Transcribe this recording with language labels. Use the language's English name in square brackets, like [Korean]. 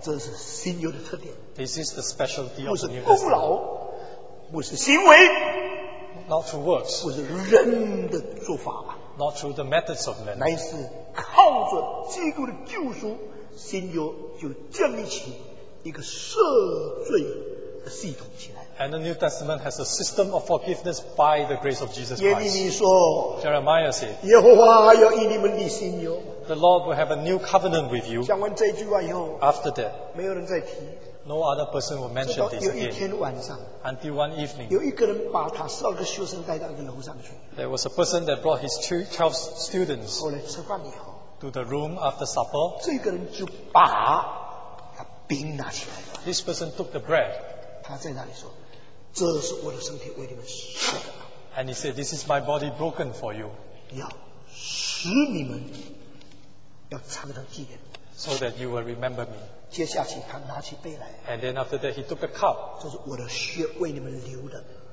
[English] This is the specialty of the New Testament. [Chinese] 不是行为, [English] not through works, [Chinese] 不是人的做法, [English] not through the methods of men, [Chinese] 乃是靠着基督的救赎, 心就建立起一个赦罪的系统起来, [English] and the New Testament has a system of forgiveness by the grace of Jesus Christ. [Chinese] 耶利米说, [English] Jeremiah said, [Chinese] 耶和华要以你们立心哟, [English] the Lord will have a new covenant with you. [Chinese] 讲完这句话以后, [English] after that, [Chinese] 没有人再提, [English] no other person will mention this again. [Chinese] 晚上, [English] until one evening, [Chinese] 有一个人把他12个学生带到一个楼上去, [English] there was a person that brought his 12 students [Chinese] 后来吃饭以后, [English] to the room after supper. [Chinese] 这个人就把饼拿起来了, [English] this person took the bread. [Chinese] 他在那里说, 这是我的身体为你们舍的, [English] and he said, this is my body broken for you. [Chinese] 要使你们要常常纪念, [English] so that you will remember me. [Chinese] 接下去他拿起杯来, [English] and then after that he took a cup. [Chinese] 这是我的血为你们流的,